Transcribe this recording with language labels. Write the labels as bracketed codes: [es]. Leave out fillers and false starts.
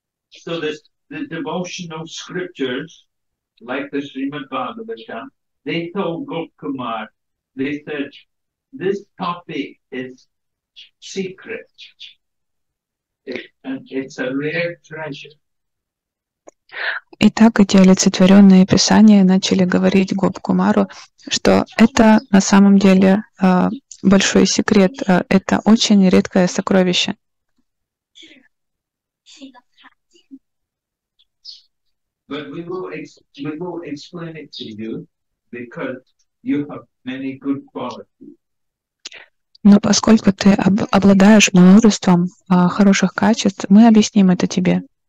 [en] So the devotional scriptures, like the Srimad Bhagavatam, they told Gopkumar, they said, this topic is secret. It's a rare treasure. [ru] Итак, эти олицетворенные писания начали говорить Гопкумару, что это на самом деле большой секрет, это очень редкое сокровище. [en] But we will explain it to you because you have many good qualities. [ru] Но поскольку ты обладаешь множеством хороших качеств, мы объясним это тебе.